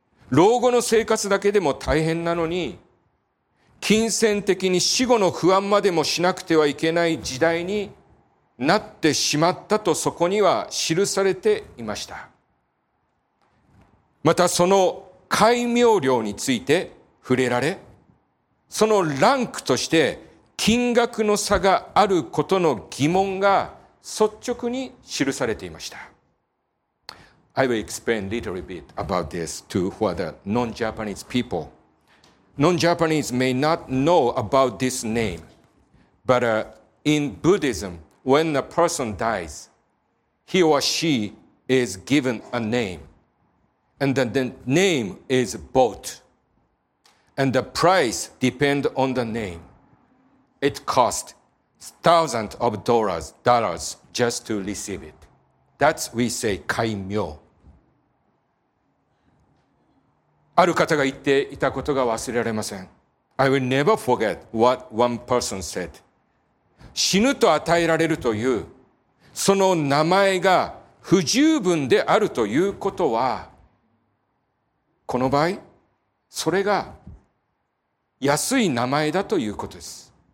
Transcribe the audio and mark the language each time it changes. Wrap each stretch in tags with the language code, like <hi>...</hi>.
<ja>老後の生活だけでも大変なのに、金銭的に死後の不安までもしなくてはいけない時代になってしまったとそこには記されていました。またその戒名料について触れられ、そのランクとして金額の差があることの疑問が率直に記されていました。</ja> <en>I will explain a little bit about this to for the non-Japanese people. Non-Japanese may not know about this name, but in Buddhism,When a person dies, he or she is given a name, and the name is bought, and the price depends on the name. It costs thousands of dollars just to receive it. That's we say kaimyo.</en> <ja>ある方が言っていたことが忘れられません。</ja> <en>I will never forget what one person said.</en> <ja>死ぬと与えられるというその名前が不十分であるということは、この場合それが安い名前だということです。</ja>